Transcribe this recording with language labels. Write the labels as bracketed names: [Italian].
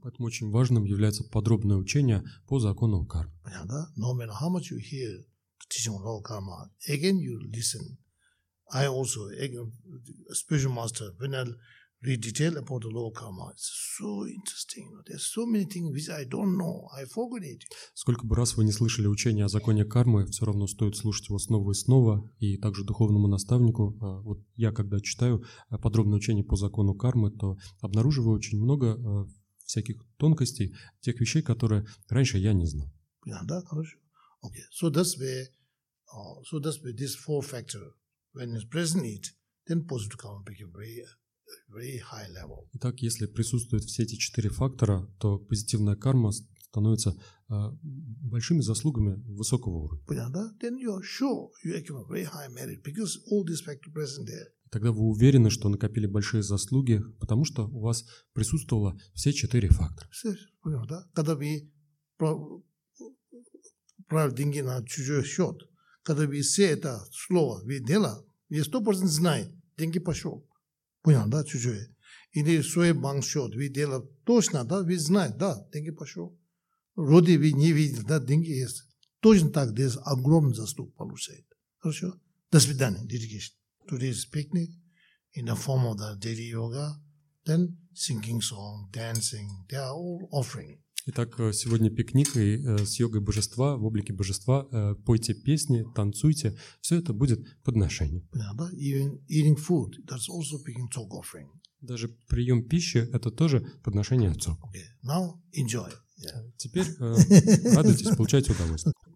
[Russian] Поэтому очень важным является подробное учение по закону кармы. Понятно, да? [English] No matter how much you hear the teaching of law of karma, again you listen. I also, again, a spiritual master, when I read detail about the law of karma, it's so interesting. You know, there's so many things which I don't know. I forgot it. [Russian] Сколько бы раз вы не слышали учение о законе кармы, все равно стоит слушать его снова и снова. И также духовному наставнику, вот я когда читаю подробное учение по закону кармы, то обнаруживаю очень много всяких тонкостей, тех вещей, которые раньше я не знал. Понятно, да? Хорошо. [English] Okay. So that's where this four factor. When it's present, it then positive karma becomes very very high level. [Russian] Итак, если присутствуют все эти четыре фактора, то позитивная карма становится большими заслугами высокого уровня. Понятно, да? [English] Then you're sure you become very high merit because all these factors present there. [Russian] Тогда вы уверены, что накопили большие заслуги, потому что у вас присутствовало все четыре фактора. Понятно, да? Когда вы правили деньги на чужой счет, когда вы все это слово, вы дело, вы 100% знаете, деньги пошел. Понятно, да, чужое. Или свой банкшот, вы делаете точно, да, вы знаете, да, деньги пошел. Вроде вы не видели, да, деньги есть. Точно так, здесь огромный заслуг получает. Хорошо? До свидания, dedication. [English] Today's picnic in the form of the daily yoga, then singing song, dancing, they are all offering. [Russian] Итак, сегодня пикник и с йогой божества, в облике божества, пойте песни, танцуйте, все это будет подношение. Понятно, да? [English] Even eating food, that's also picking tzok offering. [Russian] Даже прием пищи – это тоже подношение цок. [English] Okay, now enjoy. Yeah. [Russian] Теперь радуйтесь, получайте удовольствие.